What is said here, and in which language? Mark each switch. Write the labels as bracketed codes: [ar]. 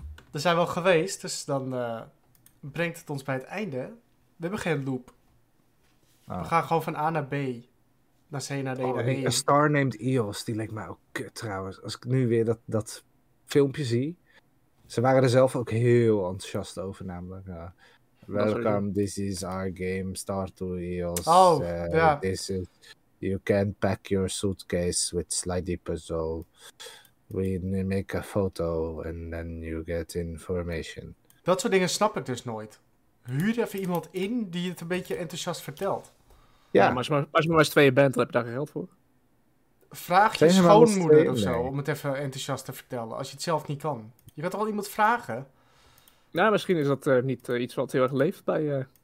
[nl] Daar zijn we al geweest, dus dan brengt het ons bij het einde. We hebben geen loop. Oh. We gaan gewoon van A naar B. Naar C, naar D, naar B. A Star Named Eos, die lijkt mij ook kut trouwens. Als ik nu weer dat filmpje zie. Ze waren er zelf ook heel enthousiast over, namelijk. [en] Welcome, this is our game, Star to Eos. This is... You can pack your suitcase with slidey puzzle. We make a photo and then you get information. [nl] Dat soort dingen snap ik dus nooit. Huur even iemand in die het een beetje enthousiast vertelt. Ja, ja, maar als je maar eens tweeën bent, dan heb je daar geld voor. Vraag je schoonmoeder of zo om het even enthousiast te vertellen, als je het zelf niet kan. Je kan toch wel iemand vragen? Nou, misschien is dat niet iets wat heel erg leeft bij...